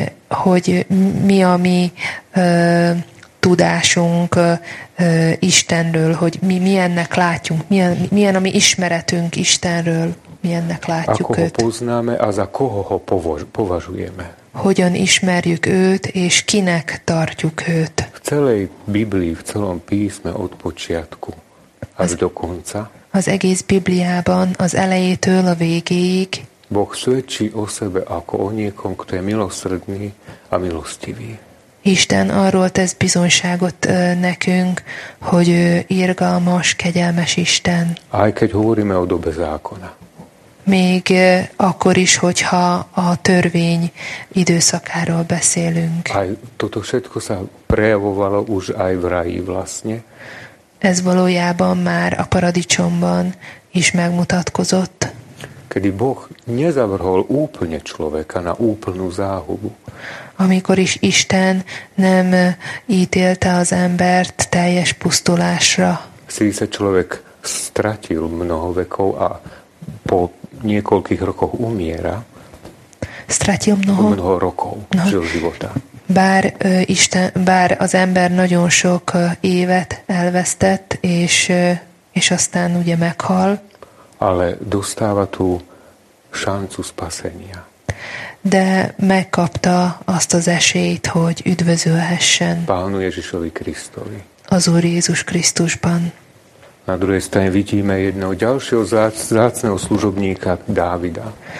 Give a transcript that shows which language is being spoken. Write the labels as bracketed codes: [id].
[hu] Hogy mi a mi tudásunk Istenről, hogy mi ennek látjunk, milyen a mi ismeretünk Istenről. Mi ennek látjuk őt. [sk] Ako ho poznáme a za koho ho považujeme. [hu] Hogyan ismerjük őt, és kinek tartjuk őt. [sk] V celej Biblii, v celom písme od počiatku až do konca. [hu] Az egész Bibliában, az elejétől a végéig. [sk] Boh svedčí o sebe ako o niekom, kto je milosrdný a milostivý. [hu] Isten arról tesz bizonyságot nekünk, hogy ő irgalmas, kegyelmes Isten. [sk] Aj keď hovoríme o dobe zákona. [hu] Még akkor is, hogyha a törvény időszakáról beszélünk. [sk] Aj, toto všetko sa prejavovalo už aj v ráji vlastne. [hu] Ez valójában már a paradicsomban is megmutatkozott. [sk] Kedy Boh nezavrhol úplne človeka na úplnú záhubu. [hu] Amikor is Isten nem ítélte az embert teljes pusztulásra. [sk] Síce človek stratil mnoho vekov a po niekoľkých rokov umiera. Stratil mnoho rokov žil života. [hu] Bár Isten, bár az ember nagyon sok évet elvesztett, és aztán ugye meghal. [sk] Ale dostáva tú šancu spasenia. [hu] De megkapta azt az esélyt, hogy üdvözölhessen. [sk] Pánu Ježišovi Kristovi. [hu] Az Úr Jézus Krisztusban. [sk] Na druhej strane vidíme jedného ďalšieho zácného služobníka Dávida.